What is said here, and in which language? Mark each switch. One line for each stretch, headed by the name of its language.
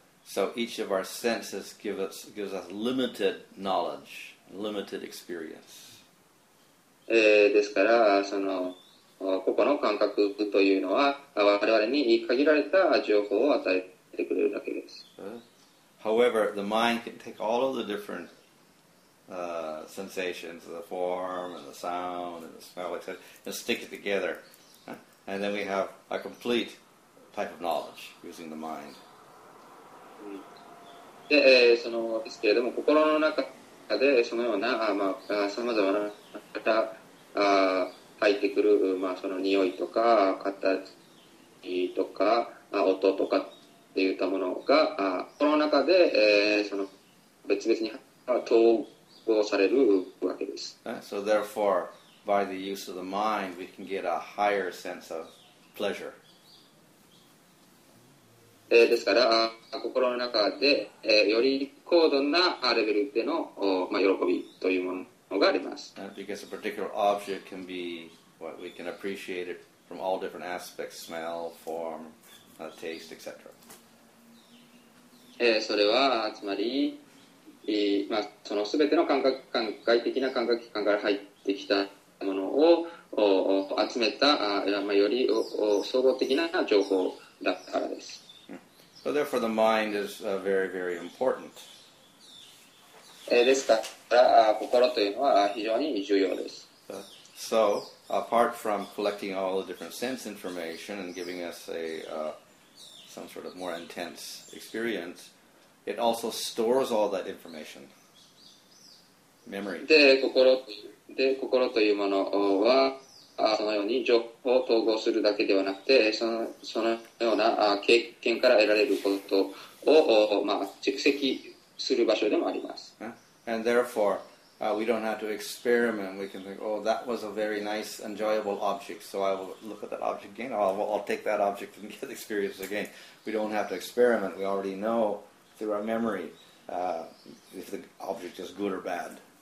English: So each of our senses gives us limited knowledge, limited experience.
Japanese: ですから、その個々の感覚というのは我々に限られた情報を与えてくれるだけです。
English: However, the mind can take all of the differentsensations, the form and the sound and the smell, etc., and stick it together. And then we have a complete type of knowledge using the mind.
Japanese: で、その、ですけれども、心の中でそのような、まあ、さまざまな方、入ってくる、まあ、その匂いとか、形とか、音とかっていったものが、心の中で、その別々に、
English: So therefore, by the use of the mind, we can get a higher sense of pleasure.
Japanese: ですから、心の中で、より高度なレベルでの、まあ、喜びというものがあります。
English: Because a particular object can be, what we can appreciate it from all different aspects, smell, form, taste, etc.
Japanese: それは、つまり、まあ、その全ての感覚感外的な感覚器官から入ってきたものを集めたより総合的な情報だからです。
English: So therefore the mind is very, very important.
Japanese: ですから心というのは非常に重要です。
English: So, apart from collecting all the different sense information and giving us a some sort of more intense experience, it also stores all that information. Memory.
Japanese: で、心というものは、そのように情報を統合するだけではなくて、そのような経験から得られることを、まあ、蓄積する場所でもあります。
English: And therefore, we don't have to experiment. We can think, oh, that was a very nice, enjoyable object. So I will look at that object again. I'll take that object and get the experience again. We don't have to experiment. We already know through our memory if the object is good or bad.